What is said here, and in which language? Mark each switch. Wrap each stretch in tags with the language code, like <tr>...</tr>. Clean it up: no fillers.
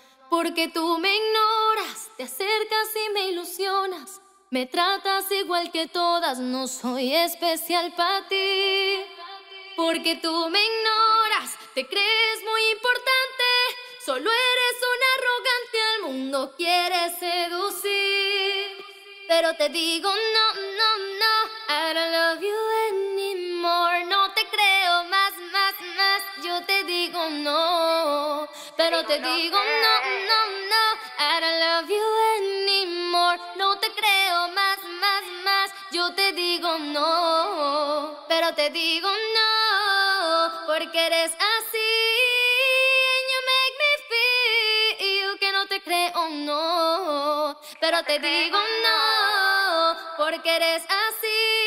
<es>Porque tú me ignoras, te acercas y me ilusionas, me tratas igual que todas, no soy especial para ti. Porque tú me ignoras, te crees muy importante, solo eres un arrogante, al mundo quieres seducir. Pero te digo no, no, no,</es> <en>I don't love you anymore.</en> <es>No te creo más, más, más, yo te digo no. Pero te digo no, no, no,</es> <en>I don't love you anymore.</en> <es>No te creo más, más, más, yo te digo no. Pero te digo no, porque eres así.</es> <en>And you make me feel</en> <es>que no te creo, no. Pero te digo no, porque eres así.</es>